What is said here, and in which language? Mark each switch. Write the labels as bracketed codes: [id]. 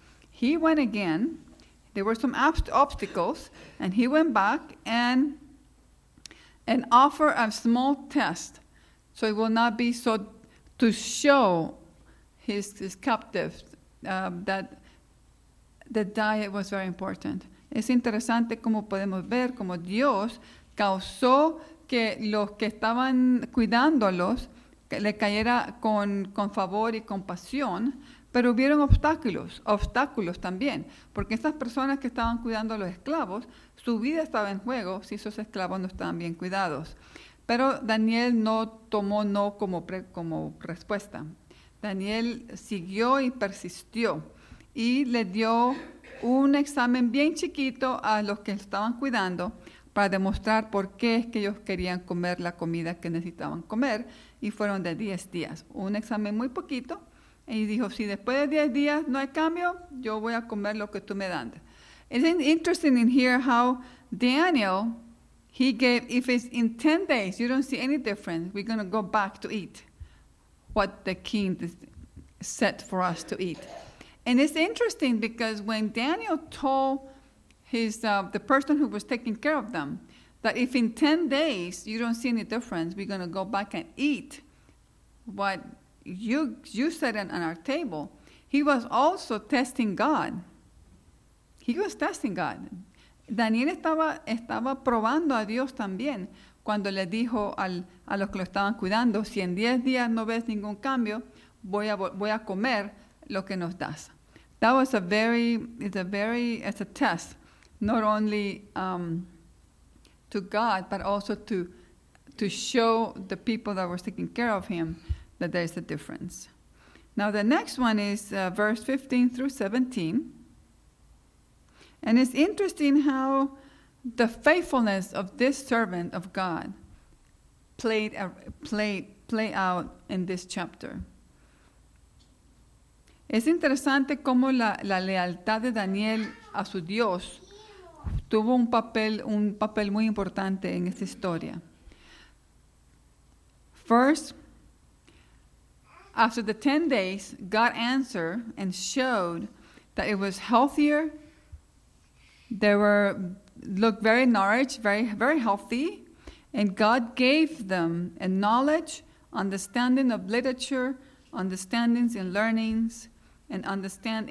[en] He went again. There were some obstacles, and he went back and offered a small test so it will not be so to show his captives that the diet was very important. [es] Es interesante cómo podemos ver cómo Dios causó que los que estaban cuidándolos le cayera con favor y compasión, pero hubieron obstáculos también, porque estas personas que estaban cuidando a los esclavos, su vida estaba en juego si esos esclavos no estaban bien cuidados. Pero Daniel no tomó no como respuesta. Daniel siguió y persistió y le dio un examen bien chiquito a los que estaban cuidando para demostrar por qué es que ellos querían comer la comida que necesitaban comer, y fueron de 10 días. Un examen muy poquito, y dijo, si después de 10 días no hay cambio, yo voy a comer lo que tú me das. [en] It's interesting in here how Daniel, he gave, if it's in 10 days, you don't see any difference, we're going to go back to eat what the king set for us to eat. And it's interesting because when Daniel told the person who was taking care of them that if in 10 days you don't see any difference, we're going to go back and eat what you said on our table, he was also testing God. He was testing God. [es] Daniel estaba probando a Dios también cuando le dijo a los que lo estaban cuidando, si en 10 días no ves ningún cambio, voy a comer lo que nos das. [en] That was it's a test, not only to God, but also to show the people that were taking care of him that there's a difference. Now the next one is verse 15 through 17. And it's interesting how the faithfulness of this servant of God played out in this chapter. [es] Es interesante cómo la lealtad de Daniel a su Dios tuvo un papel muy importante en esta historia. [en] First, after the 10 days, God answered and showed that it was healthier. They looked very nourished, very, very healthy. And God gave them a knowledge, understanding of literature, understandings and learnings, and understand.